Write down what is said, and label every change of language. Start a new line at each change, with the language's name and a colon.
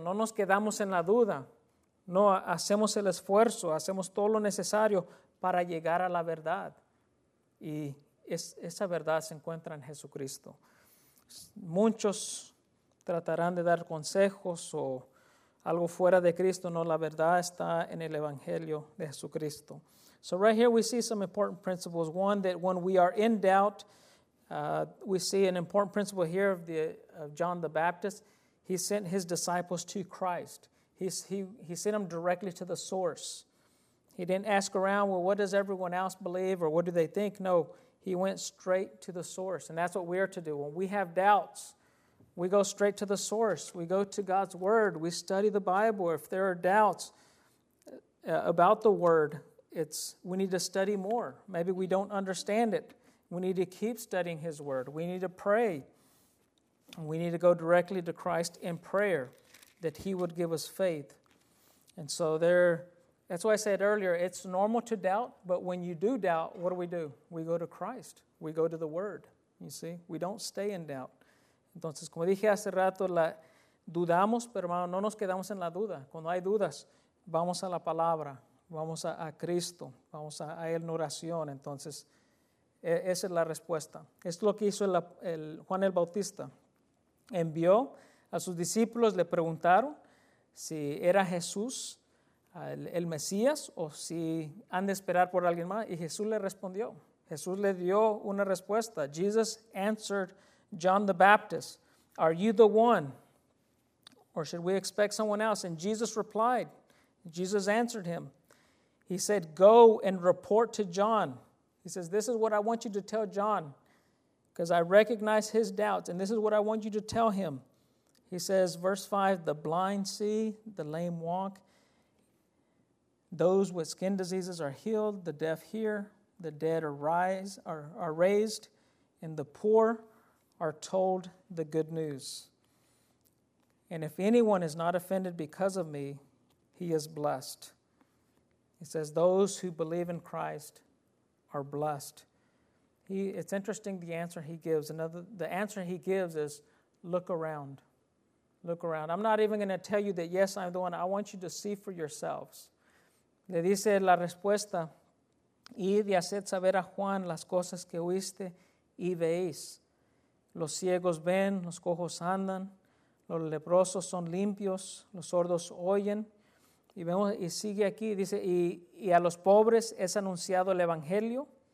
Spanish: No nos quedamos en la duda. No, hacemos el esfuerzo, hacemos todo lo necesario para llegar a la verdad. Y esa verdad se encuentra en Jesucristo. Muchos tratarán de dar consejos o algo fuera de Cristo. No, la verdad está en el Evangelio de Jesucristo.
English: So right here we see some important principles. One, that when we are in doubt, we see an important principle here of John the Baptist. He sent his disciples to Christ. He sent them directly to the source. He didn't ask around, well, what does everyone else believe or what do they think? No, he went straight to the source. And that's what we are to do. When we have doubts, we go straight to the source. We go to God's Word. We study the Bible. If there are doubts about the Word, we need to study more. Maybe we don't understand it. We need to keep studying His Word. We need to pray. We need to go directly to Christ in prayer that He would give us faith. And so that's why I said earlier, it's normal to doubt, but when you do doubt, what do? We go to Christ. We go to the Word. You see? We don't stay in doubt.
Spanish: Entonces, como dije hace rato, dudamos, pero hermano, no nos quedamos en la duda. Cuando hay dudas, vamos a la palabra, vamos a Cristo, vamos a Él en oración. Entonces, esa es la respuesta. Esto es lo que hizo el Juan el Bautista. Envió a sus discípulos, le preguntaron si era Jesús el Mesías o si han de esperar por alguien más. Y Jesús le respondió. Jesús le dio una respuesta.
English: Jesus answered John the Baptist, "Are you the one? Or should we expect someone else?" And Jesus replied. Jesus answered him. He said, "Go and report to John." He says, "This is what I want you to tell John, because I recognize his doubts, and this is what I want you to tell him." He says, verse 5, "The blind see, the lame walk, those with skin diseases are healed, the deaf hear, the dead are raised, and the poor are told the good news. And if anyone is not offended because of me, he is blessed." He says, those who believe in Christ are blessed. It's interesting the answer he gives. The answer he gives is, look around. Look around. I'm not even going to tell you that, yes, I'm the one. I want you to see for yourselves.
Spanish: Le dice la respuesta, "Id y haced saber a Juan las cosas que oíste y veis. Los ciegos ven, los cojos andan, los leprosos son limpios, los sordos oyen, Y vemos y sigue aquí, dice, y a los pobres es anunciado el evangelio.